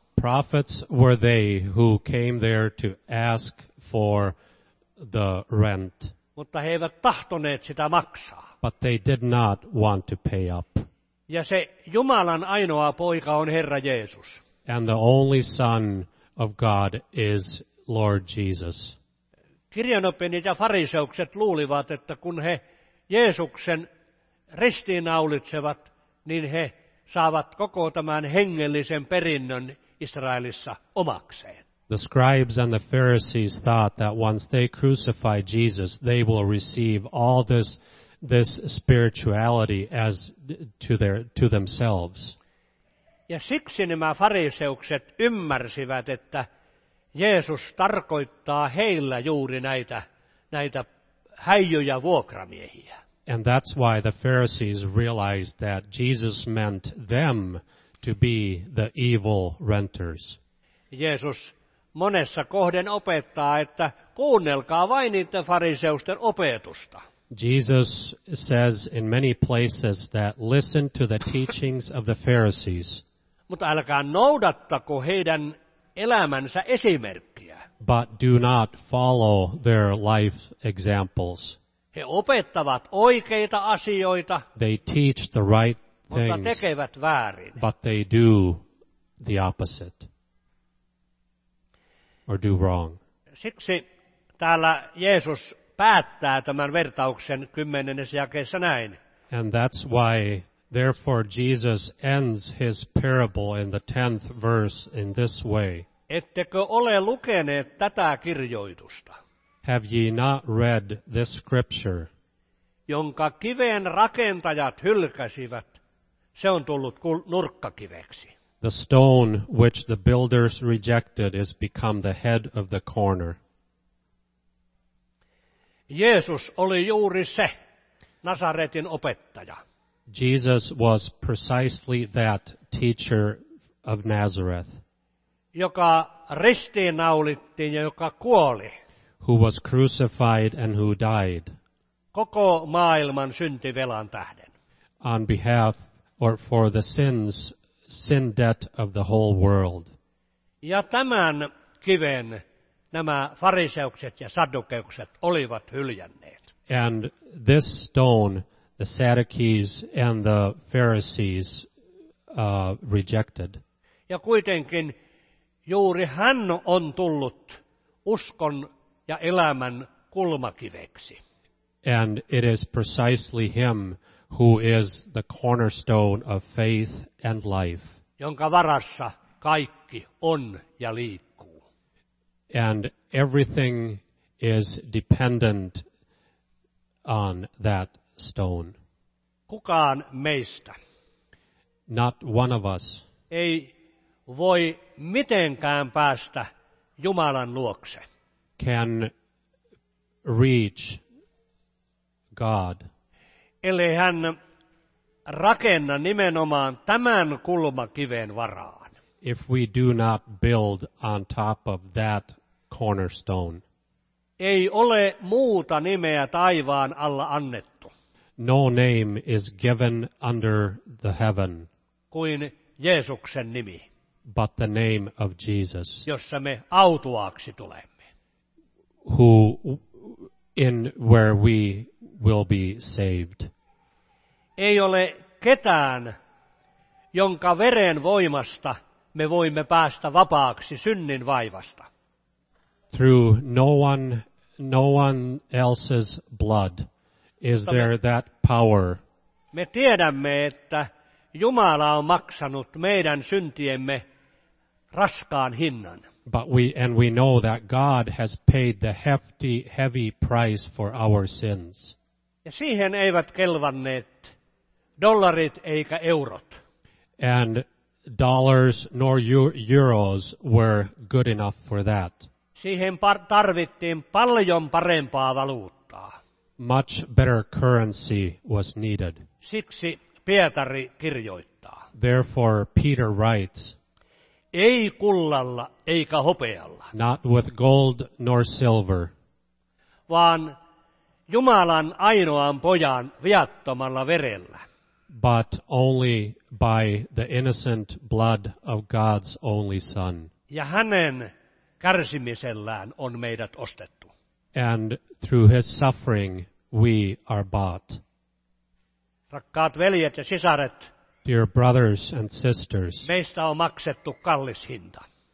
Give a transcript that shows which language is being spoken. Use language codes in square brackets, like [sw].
[en] Prophets were they who came there to ask for the rent. [fi] Mutta he eivät tahtoneet sitä maksaa. [en] But they did not want to pay up. [fi] Ja se Jumalan ainoa poika on Herra Jeesus. [en] And the only son of God is Lord Jesus. [fi] Kirjanoppineet ja fariseukset luulivat, että kun he Jeesuksen ristiinnaulitsevat, niin he saavat koko tämän hengellisen perinnön Israelissa omakseen. [en] The scribes and the Pharisees thought that once they crucify Jesus, they will receive all this spirituality as to themselves. [fi] Ja siksi nämä fariseukset ymmärsivät, että Jeesus tarkoittaa heillä juuri näitä häijyjä vuokramiehiä. [en] And that's why the Pharisees realized that Jesus meant them to be the evil renters. [fi] Jeesus monessa kohden opettaa, että kuunnelkaa vain niitä fariseusten opetusta. [en] Jesus says in many places that listen to the teachings of the Pharisees. [fi] Mutta älkää noudattako heidän elämänsä esimerkkiä. [en] But do not follow their life examples. [fi] He opettavat oikeita asioita. [en] They teach the right things, [fi] mutta tekevät väärin. [en] But they do the opposite. Or do wrong. [fi] Siksi täällä Jeesus päättää tämän vertauksen 10. jakeessa näin. [en] And that's why, therefore, Jesus ends his parable in the 10th verse in this way. [fi] Ettekö ole lukeneet tätä kirjoitusta? [en] Have ye not read this scripture? [fi] Jonka kiven rakentajat hylkäsivät. Se on tullut nurkkakiveksi. [en] The stone which the builders rejected is become the head of the corner. [fi] Jeesus oli juuri se Nasaretin opettaja. [en] Jesus was precisely that teacher of Nazareth. [fi] Joka ristiinnaulittiin ja joka kuoli. [en] Who was crucified and who died. [fi] Koko maailman syntivelan tähden. [en] On behalf or for the sins, sin debt of the whole world. [fi] Ja tämän kiven nämä fariseukset ja saddukeukset olivat hyljänneet. [en] And this stone, the Sadducees and the Pharisees rejected. [fi] Ja kuitenkin juuri hän on tullut uskon ja elämän kulmakiveksi. [en] And it is precisely him who is the cornerstone of faith and life. [fi] Jonka varassa kaikki on ja liikkuu. [en] And everything is dependent on that stone. [fi] Kukaan meistä. [en] Not one of us. [fi] Ei voi mitenkään päästä Jumalan luokse. [en] Can reach God. [fi] Eli hän rakenna nimenomaan tämän kulmakiven varaan. [en] If we do not build on top of that cornerstone. [fi] Ei ole muuta nimeä taivaan alla annettu. [en] No name is given under the heaven. [fi] Kuin Jeesuksen nimi. [en] But the name of Jesus. [fi] Jossa me autuaaksi tulemme. [en] Who in where we will be saved. [fi] Ei ole ketään, jonka veren voimasta me voimme päästä vapaaksi synnin vaivasta. [en] Through no one else's blood is there that power. [fi] Me tiedämme, että Jumala on maksanut meidän syntiemme raskaan hinnan. [en] But we know that God has paid the hefty, heavy price for our sins. [fi] Ja siihen eivät kelvanneet dollarit eikä eurot. [en] And dollars nor euros were good enough for that. [fi] Siihen tarvittiin paljon parempaa valuuttaa. [en] Much better currency was needed. [fi] Siksi Pietari kirjoittaa. [en] Therefore Peter writes. [fi] Ei kullalla eikä hopealla. [en] Not with gold nor silver. [fi] Vaan Jumalan ainoan pojan viattomalla verellä. [en] But only by the innocent blood of God's only son. [fi] Ja hänen kärsimisellään on meidät ostettu. [en] And through his suffering we are bought. [fi] Rakkaat veljet ja sisaret. [en] Dear brothers and sisters. [fi] Meistä on maksettu kallis hinta.